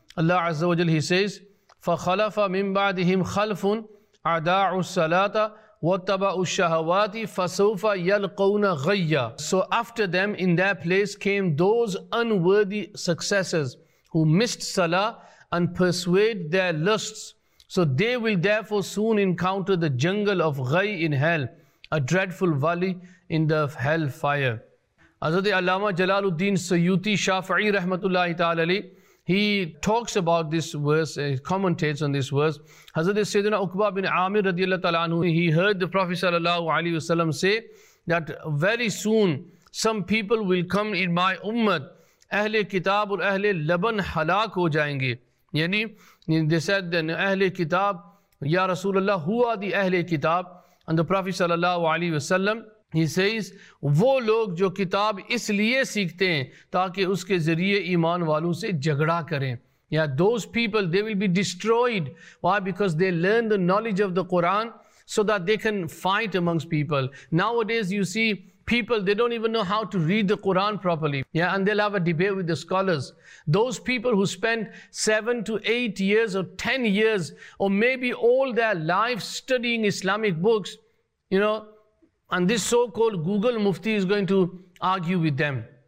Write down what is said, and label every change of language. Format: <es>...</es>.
<ar>Allah Azza wa Jal,</ar> <en>he says,</en> <ar>فَخَلَفَ مِنْ بَعْدِهِمْ خَلْفٌ عَدَاعُ السَّلَاةَ وَاتَّبَعُ الشَّهَوَاتِ فَسَوْفَ يَلْقَوْنَ غَيَّا.</ar> <en>So after them, in their place came those unworthy successors who missed salah and pursued their lusts. So they will therefore soon encounter the jungle of ghay in hell, a dreadful valley in the hell fire. Hazrat Allama Jalaluddin Sayyuti Shafi'i rahmatullahi ta'ala alayhi, he talks about this verse, he commentates on this verse. Hazrat Sayyidina Uqba bin Amir radiallahu ta'ala anhu, he heard the Prophet sallallahu alayhi wa sallam say that very soon some people will come in my ummah,</en> <ur>ahle kitab aur ahle laban halak ho jayenge.</ur> <en>Yani, they said then ahle kitab, ya Rasulullah, who are the ahle kitab? And the Prophet sallallahu alayhi wa sallam, he says,</en> <ur>وہ لوگ جو کتاب اس لیے سیکھتے ہیں تاکہ اس کے ذریعے ایمان والوں سے جھگڑا کریں.</ur> <en>Yeah, those people, they will be destroyed. Why? Because they learn the knowledge of the Quran so that they can fight amongst people. Nowadays, you see, people, they don't even know how to read the Quran properly. Yeah, and they'll have a debate with the scholars. Those people who spent 7 to 8 years or 10 years or maybe all their life studying Islamic books, you know, and this so-called Google Mufti is going to argue with them.</en>